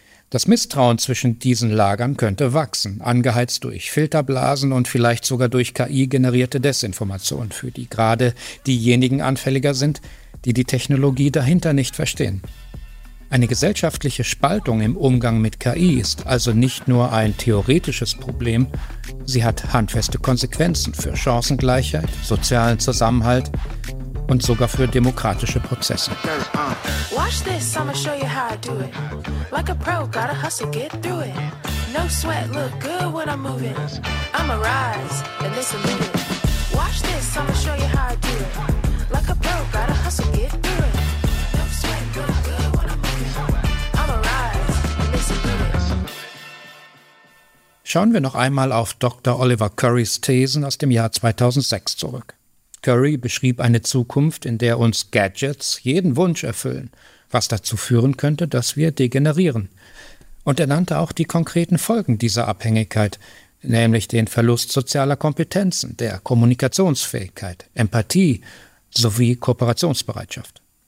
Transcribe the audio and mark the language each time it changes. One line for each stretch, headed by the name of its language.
German: Das Misstrauen zwischen diesen Lagern könnte wachsen, angeheizt durch Filterblasen und vielleicht sogar durch KI-generierte Desinformation, für die gerade diejenigen anfälliger sind, die Technologie dahinter nicht verstehen. Eine gesellschaftliche Spaltung im Umgang mit KI ist also nicht nur ein theoretisches Problem, sie hat handfeste Konsequenzen für Chancengleichheit, sozialen Zusammenhalt und sogar für demokratische Prozesse.
English: Watch this, I'ma show you how I do it. Like a pro, gotta hustle, get through it. No sweat, look good when I'm moving. I'ma rise, and it's a minute. Watch this, I'ma show you how I do it. Like a pro, gotta hustle, get through it. No sweat, look good when I'm moving. I'ma rise, and it's a minute.
German: Schauen wir noch einmal auf Dr. Oliver Currys Thesen aus dem Jahr 2006 zurück. Curry beschrieb eine Zukunft, in der uns Gadgets jeden Wunsch erfüllen, was dazu führen könnte, dass wir degenerieren. Und er nannte auch die konkreten Folgen dieser Abhängigkeit, nämlich den Verlust sozialer Kompetenzen, der Kommunikationsfähigkeit, Empathie sowie Kooperationsbereitschaft.